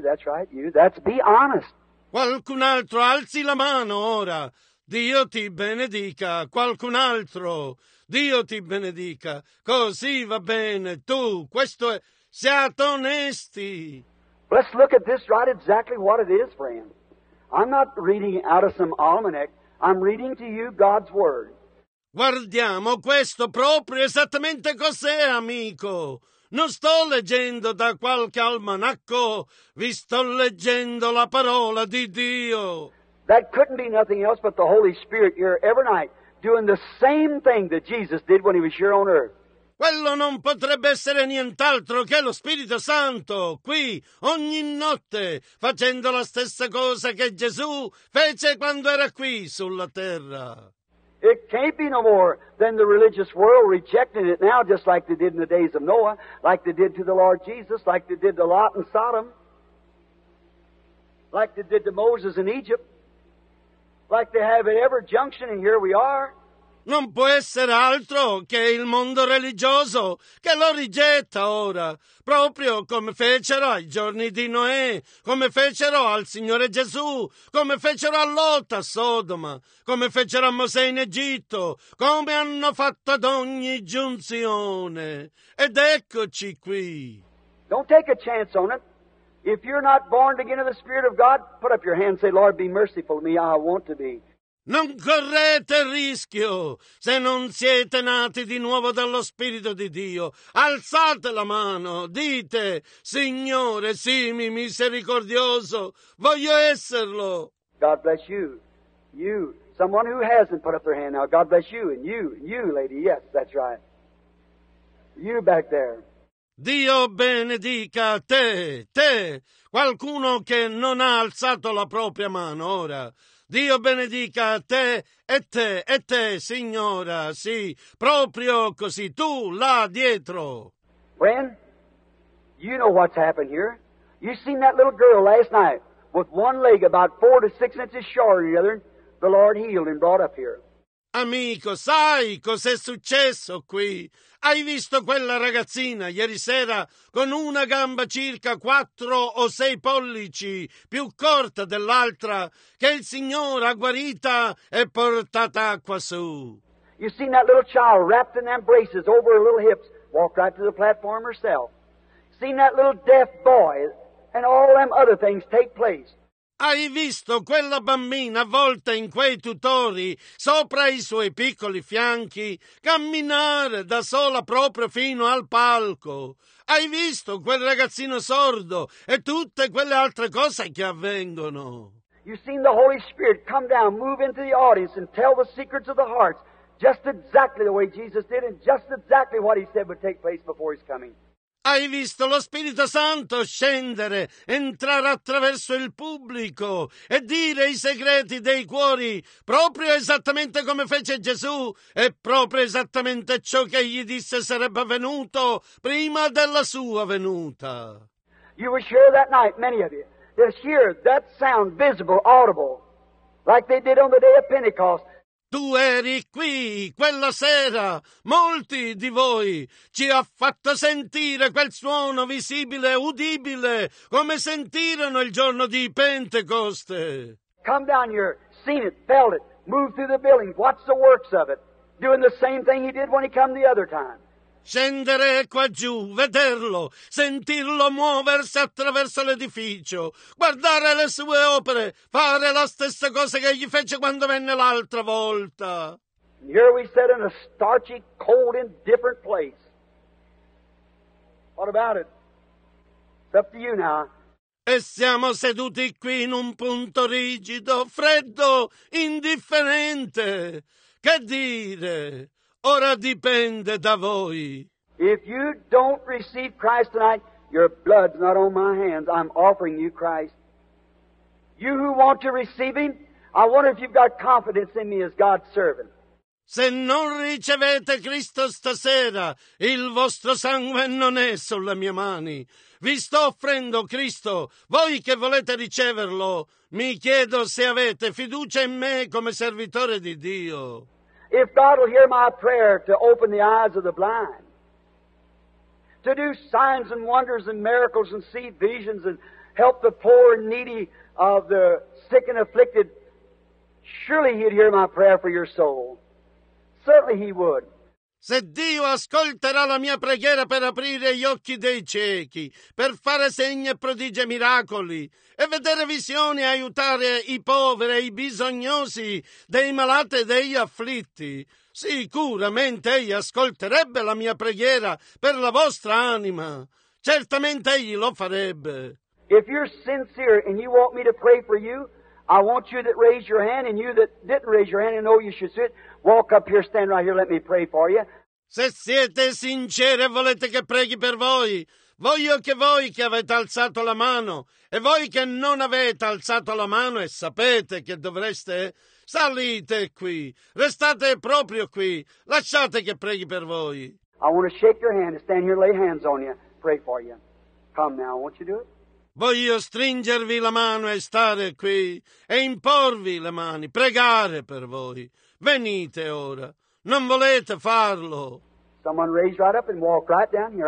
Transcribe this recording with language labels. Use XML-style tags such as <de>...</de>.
<en>That's right, you. That's be honest.</en> <it>Qualcun altro, alzi la mano ora. Dio ti benedica. Qualcun altro, Dio ti benedica. Così va bene. Tu, questo è... Siate onesti.</it> <en>Let's look at this right exactly what it is, friend. I'm not reading out of some almanac. I'm reading to you God's Word.</en> <it>Guardiamo questo proprio esattamente cos'è, amico. Non sto leggendo da qualche almanacco. Vi sto leggendo la parola di Dio.</it> <en>That couldn't be nothing else but the Holy Spirit here every night doing the same thing that Jesus did when he was here on earth.</en> <it>Quello non potrebbe essere nient'altro che lo Spirito Santo, qui, ogni notte, facendo la stessa cosa che Gesù fece quando era qui, sulla terra.</it> <en>It can't be no more than the religious world rejecting it now, just like they did in the days of Noah, like they did to the Lord Jesus, like they did to Lot in Sodom, like they did to Moses in Egypt, like they have at every junction, and here we are.</en> <it>Non può essere altro che il mondo religioso che lo rigetta ora, proprio come fecero ai giorni di Noè, come fecero al Signore Gesù, come fecero a Lot a Sodoma, come fecero a Mosè in Egitto, come hanno fatto ad ogni giunzione. Ed eccoci qui.</it> <en>Don't take a chance on it. If you're not born again of the Spirit of God, put up your hand and say, Lord, be merciful to me, I want to be.</en> <it>Non correte rischio se non siete nati di nuovo dallo Spirito di Dio. Alzate la mano, dite, Signore, sii mi misericordioso, voglio esserlo.</it> <en>God bless you. You, someone who hasn't put up their hand now, God bless you, and you, lady, yes, that's right. You back there.</en> <it>Dio benedica te, te, qualcuno che non ha alzato la propria mano ora. Dio benedica te e te e te, signora, sì, proprio così, tu là dietro.</it> <en>Friend, you know what's happened here. You seen that little girl last night with one leg about 4 to 6 inches shorter than the other, the Lord healed and brought up here.</en> <it>Amico, sai cos'è successo qui? Hai visto quella ragazzina ieri sera con una gamba circa 4 o 6 pollici più corta dell'altra che il Signore ha guarita e portata qua su.</it> <en>You've seen that little child wrapped in them braces over her little hips walk right to the platform herself. Seen that little deaf boy and all them other things take place.</en> <it>Hai visto quella bambina avvolta in quei tutori, sopra i suoi piccoli fianchi, camminare da sola proprio fino al palco? Hai visto quel ragazzino sordo e tutte quelle altre cose che avvengono?</it> <en>You've seen the Holy Spirit come down, move into the audience and tell the secrets of the hearts, just exactly the way Jesus did and just exactly what he said would take place before his coming.</en> <it>Hai visto lo Spirito Santo scendere, entrare attraverso il pubblico e dire i segreti dei cuori, proprio esattamente come fece Gesù e proprio esattamente ciò che gli disse sarebbe avvenuto prima della sua venuta.</it> <en>You were sure that night, many of you, to hear that sound visible, audible, like they did on the day of Pentecost.</en> <it>Tu eri qui, quella sera, molti di voi ci ha fatto sentire quel suono visibile, udibile, come sentirono il giorno di Pentecoste.</it> <en>Come down here, seen it, felt it, moved through the building, watched the works of it, doing the same thing he did when he came the other time.</en> <it>Scendere qua giù, vederlo, sentirlo muoversi attraverso l'edificio, guardare le sue opere, fare la stessa cosa che gli fece quando venne l'altra volta.</it> <en>Here we sit in a starchy, cold, indifferent place. What about it? It's up to you now.</en> <it>E siamo seduti qui in un punto rigido, freddo, indifferente. Che dire? Ora dipende da voi.</it> <en>If you don't receive Christ tonight, your blood's not on my hands. I'm offering you Christ. You who want to receive Him, I wonder if you've got confidence in me as God's servant.</en> <it>Se non ricevete Cristo stasera, il vostro sangue non è sulle mie mani. Vi sto offrendo Cristo. Voi che volete riceverlo, mi chiedo se avete fiducia in me come servitore di Dio.</it> <en>If God will hear my prayer to open the eyes of the blind, to do signs and wonders and miracles and see visions and help the poor and needy of the sick and afflicted, surely He'd hear my prayer for your soul. Certainly He would.</en> <it>Se Dio ascolterà la mia preghiera per aprire gli occhi dei ciechi, per fare segni e prodigi e miracoli, e vedere visioni e aiutare i poveri e i bisognosi, dei malati e degli afflitti, sicuramente Egli ascolterebbe la mia preghiera per la vostra anima. Certamente Egli lo farebbe.</it> <en>If you're sincere and you want me to pray for you, I want you that raised your hand and you that didn't raise your hand and know you should sit, walk up here, stand right here, let me pray for you.</en> <it>Se siete sinceri e volete che preghi per voi, voglio che voi che avete alzato la mano e voi che non avete alzato la mano e sapete che dovreste, salite qui, restate proprio qui, lasciate che preghi per voi.</it> <en>I want to shake your hand, stand here, lay hands on you, pray for you. Come now, won't you do it?</en> <it>Voglio stringervi la mano e stare qui e imporvi le mani, pregare per voi. Venite ora. Non volete farlo.</it> <en>Someone raise right up and walk right down here.</en>